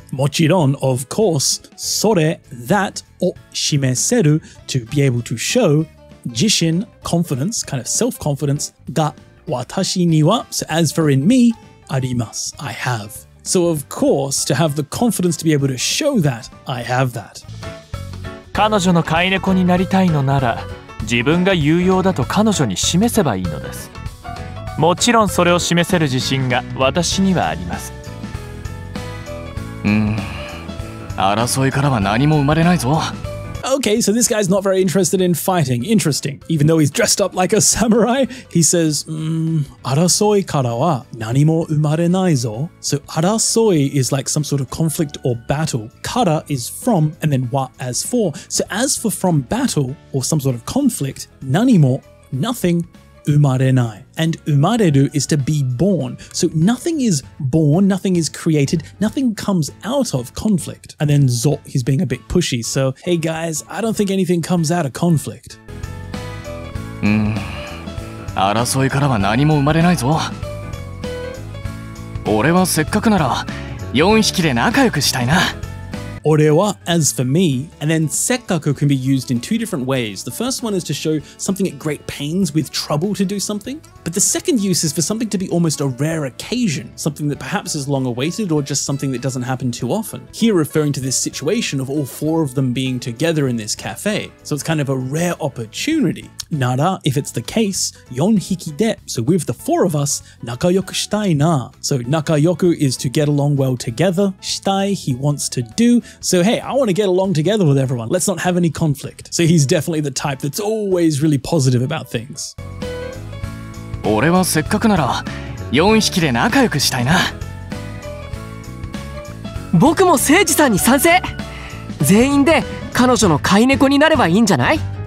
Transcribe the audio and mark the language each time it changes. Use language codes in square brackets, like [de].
[ja] もちろん、 [en] of course, それ、that, を示せる、to be able to show, [ja] 自信、 [en] confidence, kind of self-confidence, が私には、so as for in me, [ja] あります、 [en] I have. So of course, to have the confidence to be able to show that, I have that. [ja] 彼女の飼い猫になりたいのなら、自分が有用だと彼女に示せばいいのです。もちろんそれを示せる自信が私にはあります。争いからは何も生まれないぞ。 [en] Okay, so this guy's not very interested in fighting. Interesting. Even though he's dressed up like a samurai, he says, [ja] 争いからは何も生まれないぞ。 [en] So 争い is like some sort of conflict or battle. Kara is from, and then wa as for. So as for from battle or some sort of conflict, [ja] 何も [en] nothing生まれない。 And 生まれる is to be born. So nothing is born, nothing is created, nothing comes out of conflict. And then ぞ, he's being a bit pushy. So, hey guys, I don't think anything comes out of conflict. [ja] 争いからは何も生まれないぞ。俺はせっかくなら、4匹で仲良くしたいな。 [en] 俺は as for me, and then せっかく can be used in two different ways. The first one is to show something at great pains with trouble to do something. But the second use is for something to be almost a rare occasion, something that perhaps is long awaited or just something that doesn't happen too often. Here referring to this situation of all four of them being together in this cafe. So it's kind of a rare opportunity. なら if it's the case, [ja] 4匹で, [en] so with the four of us, [ja] 仲良くしたいな. [en] So 仲良く is to get along well together. したい, he wants to do. So hey, I want to get along together with everyone. Let's not have any conflict. So he's definitely the type that's always really positive about things. [ja] 俺はせっかくなら4匹で仲良くしたいな。僕も誠司さんに賛成。全員で彼女の飼い猫になればいいんじゃない？